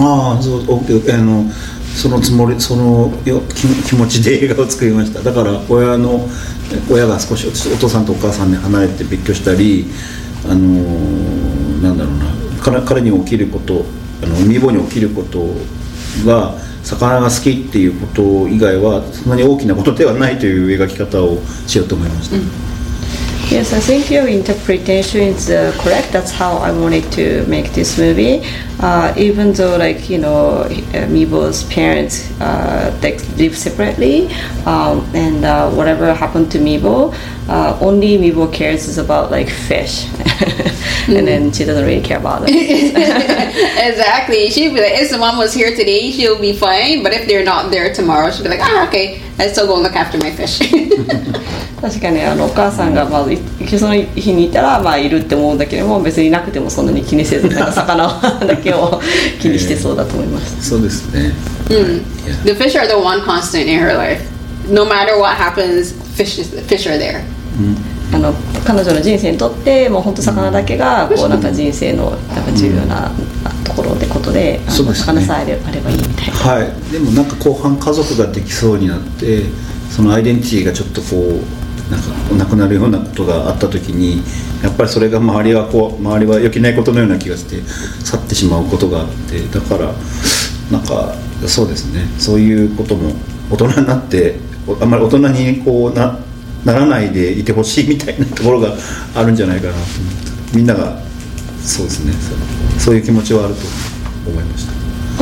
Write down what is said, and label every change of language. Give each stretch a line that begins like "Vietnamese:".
Japanese: ああ、そう、オッケー、そのつもり、その気持ちで映画を作りました。だから親が少しお父さんとお母さんに離れて別居したり、なんだろうな、彼に起きること、海坊に起きることが魚が好きっていうこと以外はそんなに大きなことではないという描き方をしようと思いました。
English: Yes, I think your interpretation is correct. That's how I wanted to make this movie. Even though, like, you know, Mibo's parents live separately, and whatever happened to Mibo, only Mibo cares is about, like, fish. Mm-hmm. And then she doesn't really care about it. Exactly. She'd be like, if someone was here today, she'll be fine. But if they're not there tomorrow, she'd be like, ah, okay, I'll still go look after my fish.
Japanese: 確かにお母さんが、まあ、その日にいたら、まあ、いるって思うんだけども、別にいなくてもそんなに気にせず、なんか魚だけを気にしてそうだと思います。そうですね。 Mm.
English: Yeah. The fish are the one constant in her life. No matter what happens, fish are there.
Japanese: 彼女の人生にとって、もう本当魚だけがこうなんか人生のなんか重要なところってことで、そうですね、魚さえあればいいみたいな。はい。でもなんか後半家族ができそうになって、そのアイデンティティがちょっとこうなんかなくなるようなことがあった時に、やっぱりそれが周りは良きないことのような気がして去ってしまうことがあって、だからなんかそうですね、そういうことも大人になってあんまり大人にこう ならないでいてほしいみたいなところがあるんじゃないかなと思って、みんながそうですね、そういう気持ちはあると思いました。